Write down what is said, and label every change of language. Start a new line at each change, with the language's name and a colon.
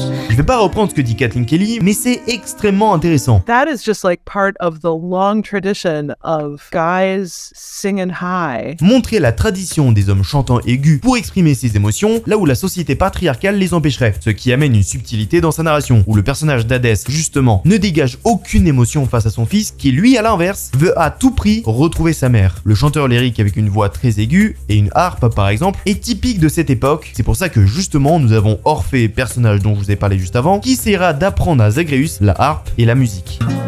French: Je vais pas reprendre ce que dit Kathleen Kelly, mais c'est extrêmement intéressant.
English: That is just like part of the long tradition of guys singing high.
French: Montrer la tradition des hommes chantant aigus pour exprimer ses émotions, là où la société patriarcale les empêcherait, ce qui amène une subtilité dans sa narration, où le personnage d'Hadès, justement, ne dégage aucune émotion face à son fils, qui lui, à l'inverse, veut à tout prix retrouver sa mère. Le chanteur lyrique avec une voix très aiguë, et une harpe par exemple, est typique de cette époque, c'est pour ça que justement, nous avons Orphée, personnage dont je vous ai parlé juste avant, qui essaiera d'apprendre à Zagreus la harpe et la musique.